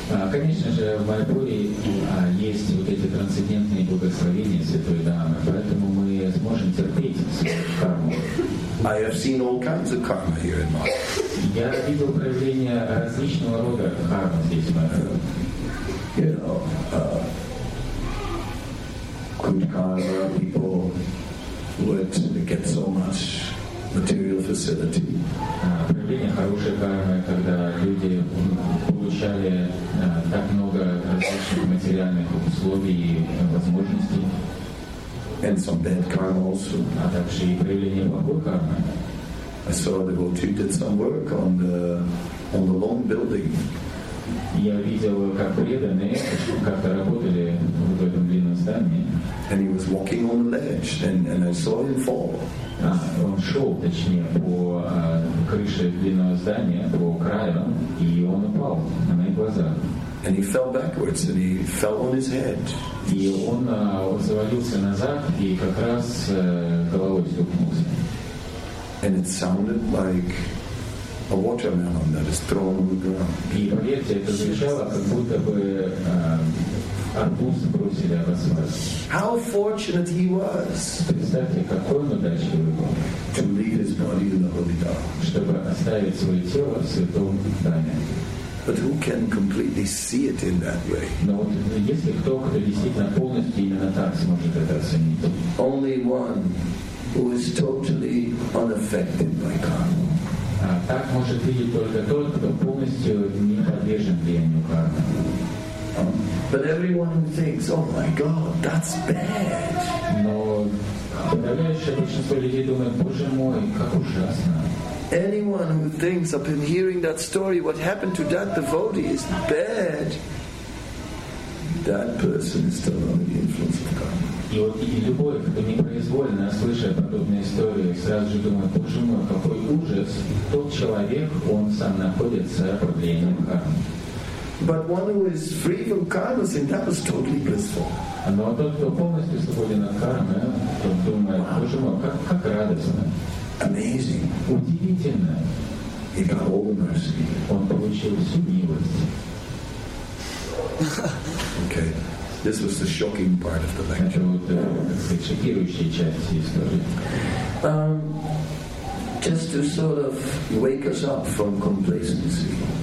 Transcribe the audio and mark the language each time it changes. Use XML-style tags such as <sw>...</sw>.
<ru>Конечно же, в Майпуре есть вот эти трансцендентные благословения Святой Дхаммы, поэтому мы сможем терпеть карму.</ru> <en>I have seen all kinds of karma here in Майпур.</en> <ru>Я видел проявления различного рода кармы здесь, в Майпуре.</ru> <en>You know, good karma, people would get so much material facility.</en> <ru>Проявление хорошей кармы, когда люди получали так много различных материальных условий и возможностей.</ru> <en>And some bad karma also.</en> <ru>А также и проявление плохой кармы.</ru> <en>I saw the devotee did some work on the long building.</en> <ru>Я видел, как преданные как-то работали в этом длинном здании.</ru> <en>And he was walking on the ledge, and I saw him fall.</en> <ru>Он шел, точнее, по крыше длинного здания, по краю, и он упал на мои глаза.</ru> <en>And he fell backwards, and he fell on his head.</en> <ru>И он завалился назад, и как раз головой стукнулся.</ru> <en>And it sounded like a watermelon that is thrown on the ground.</en> <ru>И поверьте, это звучало, как будто бы арбуз бросили об асфальт.</ru> <en>How fortunate he was!</en> <ru>Представьте, какой он удачливый был.</ru> <en>To leave his body in the holy dark.</en> <ru>Чтобы оставить свое тело в святом здании.</ru> <en>But who can completely see it in that way?</en> <ru>Но вот если кто-то действительно полностью именно так сможет это оценить.</ru> <en>Only one who is totally unaffected by karma.</en> <ru>Так может видеть только тот, кто полностью не подвержен влиянию кармы.</ru> <en>But everyone who thinks, oh my God, that's bad.</en> <ru>Но подавляющее большинство людей думает, Боже мой, как ужасно.</ru> <en>Anyone who thinks upon hearing that story what happened to that devotee is bad, that person is still under the influence of karma.</en> <ru>И вот и любой, кто непроизвольно слышит подобные истории, сразу же думает, Боже мой, какой ужас, тот человек, он сам находится под влиянием кармы.</ru> <en>But one who is free from karma, see, that was totally blissful.</en> <ru>Но тот, кто полностью свободен от кармы, тот думает, Боже мой, как радостно.</ru> <en>Amazing.</en> <ru>Удивительно.</ru> <en>He got all the mercy.</en> <ru>Он получил всю милость.</ru> <en>Okay. This was the shocking part of the lecture.</en> <ru>Это вот шокирующая часть истории.</ru> <en>Just to sort of wake us up from complacency.</en>